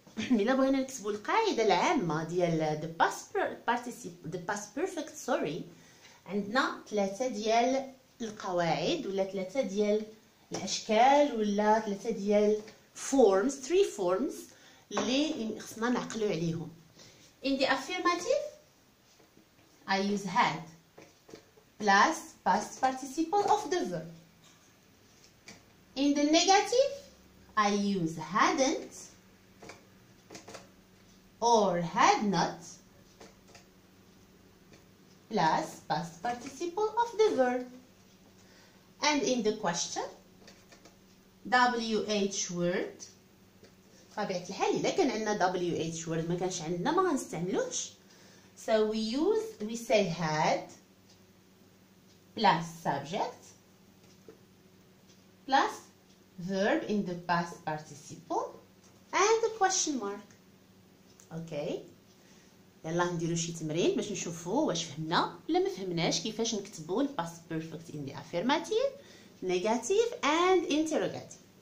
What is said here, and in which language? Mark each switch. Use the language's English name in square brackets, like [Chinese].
[Arabic] ملا بغينا نكتبو القاعدة العامة ديال [English] the past perfect, sorry. [Arabic] عندنا ثلاثة ديال القواعد ولا ثلاثة ديال الأشكال ولا ثلاثة ديال [English] forms, three forms [Arabic] اللي خصنا نعقلو عليهم. [English] In the affirmative, I use had plus past participle of the verb. In the negative, I use hadn't or had not plus past participle of the verb. And in the question, WH word. [Arabic] طبيعة الحال إذا كان عندنا [English] WH word [Arabic] ما كانش عندنا ما غنستعملوش. [English] So we say had plus subject plus verb in the past participle and the question mark. [Arabic] Okay. يلا نديرو شي تمرين باش نشوفو واش فهمنا ولا ما فهمناش كيفاش نكتبو ال past perfect [English] in the affirmative, negative and interrogative.